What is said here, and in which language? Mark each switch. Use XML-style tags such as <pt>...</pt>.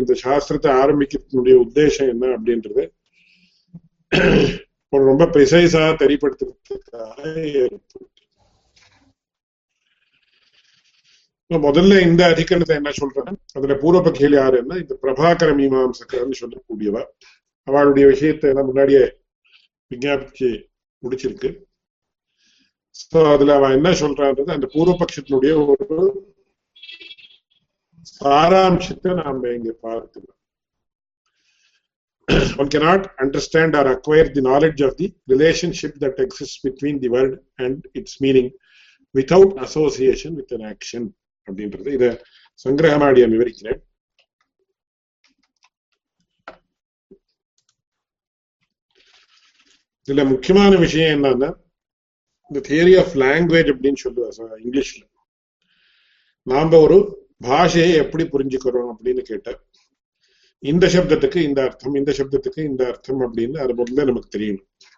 <ta>இந்த சாஸ்திரத்தை ஆரம்பிக்கிறதுனுடைய உத்தேசம் என்ன அப்படின்றது ரொம்ப பிரிசைஸா தெரிப்படுத்துறதுக்காக முதல்ல இந்த அதிகரணத்தை என்ன சொல்றேன், அதுல பூர்வபக்ஷியில் யாரு என்ன, இந்த பிரபாகர மீமாம்சகர்னு சொல்லக்கூடியவ, அவளுடைய விஷயத்த முன்னாடியே விஞ்ஞாபிச்சு முடிச்சிருக்கு. சோ அதுல அவன் என்ன சொல்றான்றது அந்த பூர்வபக்ஷத்தினுடைய ஒரு சாராம்சத்தை நாம இங்க பார்க்கலாம்.</ta> <en>One cannot understand or acquire the knowledge of the relationship that exists between the word and its meaning without association with an action.</en> <ta>அப்படின்றது இத சங்கிரகமாடிய விவரிக்கிறேன். இதுல முக்கியமான விஷயம் என்னன்னா,</ta> <en>the theory of language</en> <ta>அப்படின்னு சொல்லுவாங்க இங்கிலீஷ்ல, நாம ஒரு பாஷையை எப்படி புரிஞ்சுக்கிறோம் அப்படின்னு கேட்ட, இந்த சப்தத்துக்கு இந்த அர்த்தம், இந்த சப்தத்துக்கு இந்த அர்த்தம் அப்படின்னு அது முதல்ல நமக்கு தெரியணும்.</ta>